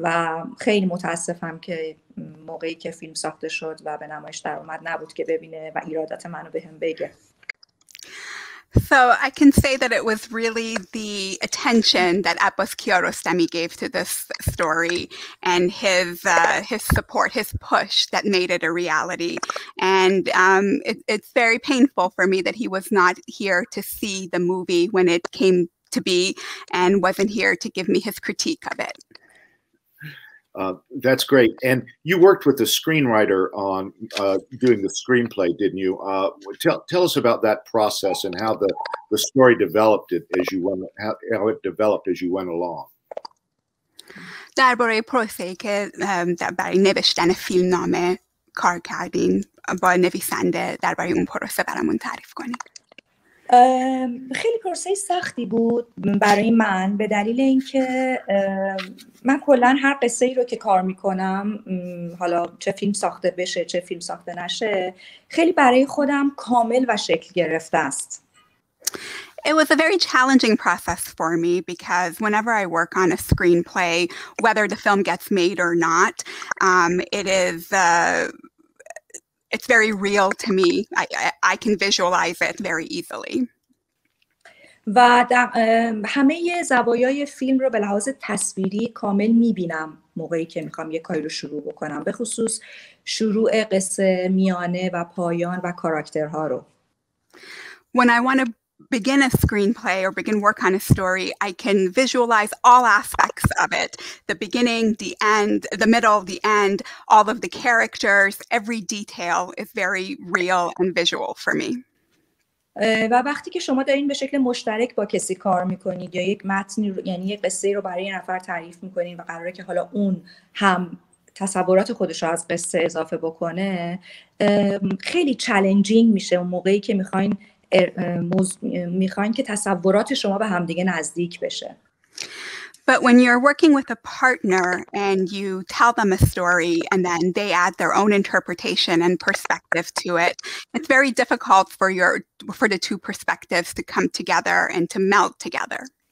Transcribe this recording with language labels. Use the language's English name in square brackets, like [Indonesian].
[Persian] و خیلی متاسفم که موقعی که فیلم ساخته شد و به نمایش در اومد نبود که ببینه و ایرادات منو به هم بگه. [English] So I can say that it was really the attention that Epos Kiarostami gave to this story and his support, his push that made it a reality. And it's very painful for me that he was not here to see the movie when it came to be and wasn't here to give me his critique of it. That's great. And you worked with the screenwriter on doing the screenplay, didn't you? Tell us about that process and how the story developed it as you went, how it developed as you went along. [Persian] درباره پروسه‌ای که برای نوشتن فیلمنامه کار کردین با نویسنده درباره اون پروسه برامون تعریف کنید. خیلی پروسه سختی بود برای من به دلیل اینکه من کلن هر قصه ای رو که کار میکنم حالا چه فیلم ساخته بشه چه فیلم ساخته نشه خیلی برای خودم کامل و شکل گرفته است. [English] It was a very challenging process for me because whenever I work on a screenplay, whether the film gets made or not, it is it's very real to me. I can visualize it very easily. [Persian] و در همه زوایای فیلم رو به لحاظ تصویری کامل میبینم موقعی که میخوام یک کاری رو شروع بکنم به خصوص شروع قصه میانه و پایان و کاراکترها رو. [English] When I want to begin a screenplay or begin work on a story, I can visualize all aspects of it, the beginning, the end, the middle, the end, all of the characters, every detail is very real and visual for me. [Persian] و وقتی که شما دارین به شکل مشترک با کسی کار میکنید یا یک متنی رو یعنی یک قصه رو برای یه نفر تعریف میکنید و قراره که حالا اون هم تصورات خودش رو از قصه اضافه بکنه خیلی چالنجینگ میشه اون موقعی که میخواین که تصورات شما به همدیگه نزدیک بشه. [English] But when you're working with a partner and you tell them a story and then they add their own interpretation and perspective to it, it's very difficult for the two perspectives to come together and to melt together.